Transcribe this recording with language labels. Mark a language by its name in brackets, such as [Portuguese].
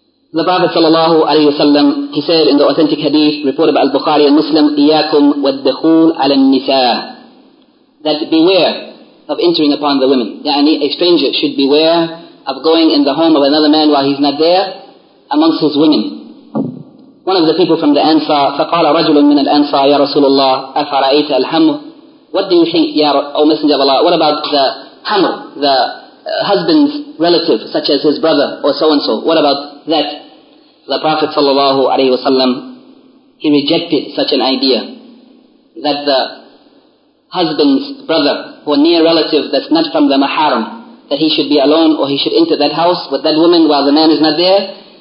[English] The Prophet sallallahu alayhi wa sallam, he said in the authentic hadith reported by Al-Bukhari and Muslim, [Arabic] إِيَّاكُمْ وَالدَّخُولُ عَلَى النِّسَاءِ, [English] that beware of entering upon the women. يعني a stranger should beware of going in the home of another man while he's not there amongst his women. One of the people from the Ansar, [Arabic] فَقَالَ رَجُلٌ مِّنَ الْأَنْصَارِ يَا رَسُولَ اللَّهِ أَفَرَأَيْتَ الْحَمْرُ. [English] What do you think, ya O Messenger of Allah, what about the hamr, the husband's relative, such as his brother or so-and-so, what about that? The Prophet sallallahu alayhi wa sallam, he rejected such an idea, that the husband's brother or near relative that's not from the mahram, that he should be alone or he should enter that house with that woman while the man is not there.